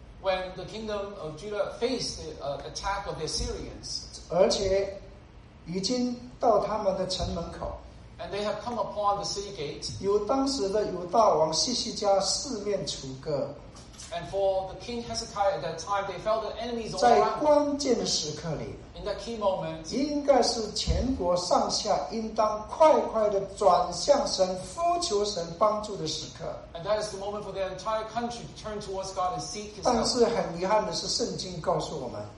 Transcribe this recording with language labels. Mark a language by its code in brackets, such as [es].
[en] when the kingdom of Judah faced the attack of the Assyrians, [zh] 而且已经到他们的城门口, [en] and they have come upon the city gates, [zh] 有当时的犹大王西西家四面楚歌, [en] and for the king Hezekiah at that time, they felt the enemies all [zh] around. 在关键的时刻里, [en] in that key moment, [zh] 应该是全国上下应当快快地转向神呼求神帮助的时刻, [en] and that is the moment for their entire country to turn towards God and seek his help. [zh] 但是很遗憾的是圣经告诉我们,